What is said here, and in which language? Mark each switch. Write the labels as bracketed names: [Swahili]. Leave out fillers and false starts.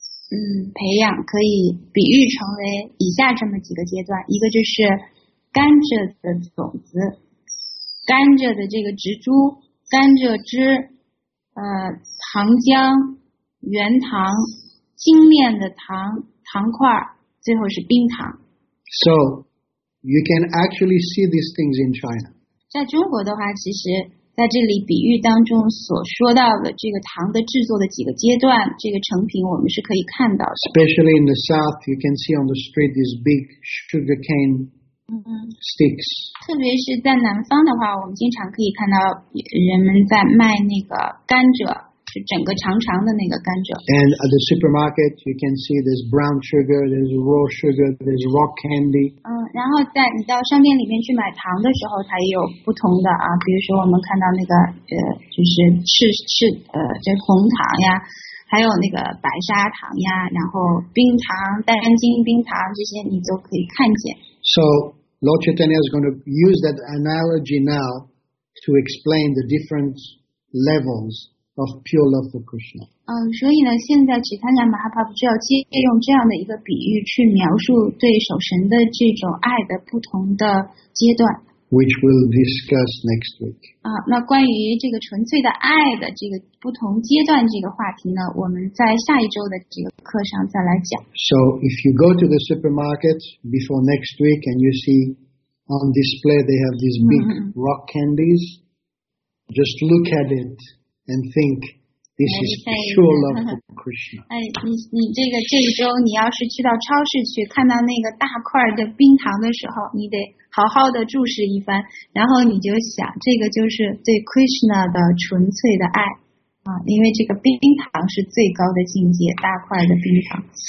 [Chinese] 培养可以比喻成为以下这么几个阶段，一个就是甘蔗的种子，甘蔗的这个植株，甘蔗汁，糖浆，原糖，精炼的糖，糖块，最后是冰糖。 [English] So, you can actually see these things in China. [Chinese] 在中国的话，其实在这里比喻当中所说到的这个糖的制作的几个阶段，这个成品我们是可以看到的。 [English] Especially in the south, you can see on the street these big sugarcane sticks. [Chinese] 特别是在南方的话，我们经常可以看到人们在卖那个甘蔗。整个长长的那个甘蔗。 [English] And at the supermarket, you can see there's brown sugar, there's raw sugar, there's rock candy. [Chinese] 然后在你到商店里面去买糖的时候，它也有不同的啊，比如说我们看到那个就是就是红糖呀，还有那个白砂糖呀，然后冰糖、单晶冰糖这些你都可以看见。 [English] So Lord Chaitanya is going to use that analogy now to explain the different levels of pure love for Krishna. [Chinese] 所以呢，现在 Chaitanya Mahaprabhu 就要借用这样的一个比喻去描述对守神的这种爱的不同的阶段。 [English] Which we'll discuss next week. [Chinese] 那关于这个纯粹的爱的这个不同阶段这个话题呢，我们在下一周的这个课上再来讲。 [English] So if you go to the supermarket before next week and you see on display they have these big rock candies, just look at it and think this is pure love for Krishna. [Chinese] 你这个这一周你要是去到超市去看到那个大块的冰糖的时候，你得好好的注视一番，然后你就想，这个就是对 Krishna 的纯粹的爱啊，因为这个冰糖是最高的境界，大块的冰糖。